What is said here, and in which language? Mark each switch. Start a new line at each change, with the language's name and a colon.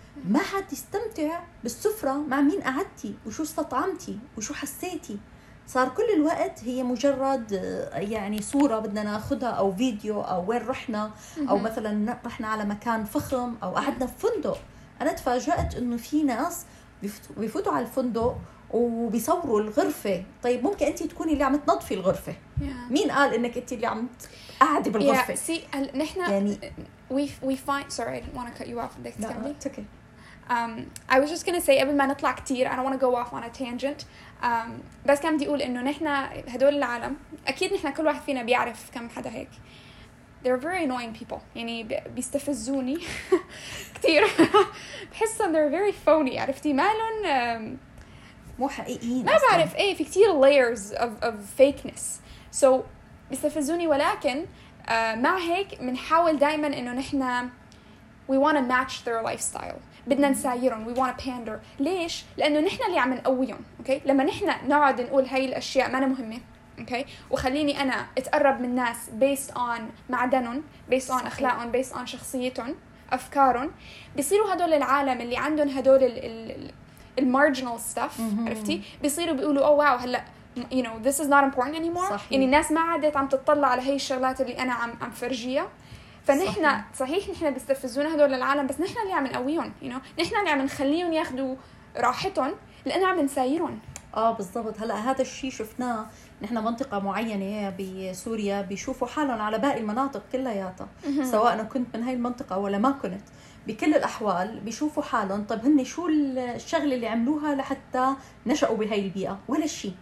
Arabic: ما عاد يستمتع بالسفرة مع مين قعدتي وشو استطعمتي وشو حسيتي، صار كل الوقت هي مجرد يعني صورة بدنا ناخدها أو فيديو أو وين رحنا أو مثلا رحنا على مكان فخم أو قعدنا في فندق. أنا تفاجأت إنه في ناس بيفوتوا على الفندق وبيصوروا الغرفة. طيب ممكن أنت تكوني اللي عم تنظفي الغرفة.
English: Yeah.
Arabic: مين قال إنك أنت اللي عم قاعدة بالغرفة؟
English: Yeah. See,
Arabic: نحنا يعني
English: we find sorry I didn't want to cut you off. No, it's okay. I was just gonna say
Arabic: قبل ما نطلع كتير
English: I don't want to go off on a tangent.
Arabic: بس كان بدي أقول إنه نحنا هدول العالم أكيد نحنا كل واحد فينا بيعرف كم حدا هيك.
English: They're very annoying people.
Arabic: يعني بيستفزوني كتير. بحسهم
English: they're very phony.
Arabic: عرفتي مالهم مو حقيقيين. ما بعرف ايه في كتير
English: layers of fakeness.
Arabic: So بيستفزوني ولكن مع هيك منحاول دايما انه نحنا
English: we wanna match their lifestyle.
Arabic: بدنا نسايرهم.
English: We wanna pander.
Arabic: ليش؟ لانه نحنا اللي عم نقويهم. Okay? لما نحنا نقعد نقول هاي الاشياء ما انا مهمة.
English: Okay?
Arabic: وخليني انا اتقرب من ناس
English: based on
Arabic: معدنهم.
English: Based on
Arabic: اخلاقهم.
English: Based on
Arabic: شخصيتهم. افكارهم. بيصيروا هدول العالم اللي عندهم هدول ال
English: marginal stuff.
Arabic: عرفتي بيصيروا بيقولوا
English: oh wow
Arabic: هلا
English: you know this is not important anymore.
Arabic: صحيح. يعني الناس ما عادت عم تتطلع على هاي الشغلات اللي أنا عم فرجيها. فنحنا صحيح نحنا بيستفزونا هدول العالم بس نحنا اللي عم نقويهم،
English: you know
Arabic: نحنا اللي عم نخليهم ياخدوا راحتهم لأن عم نسايرهم. آه بالضبط. هلا هذا الشيء شفناه نحنا منطقة معينة بسوريا بيشوفوا حالهم على باقي المناطق كلياتها، سواء أنا كنت من هاي المنطقة ولا ما كنت، بكل الأحوال بيشوفوا حالهم طب هني شو الشغل اللي عملوها لحتى نشأوا بهاي البيئة؟ ولا شيء.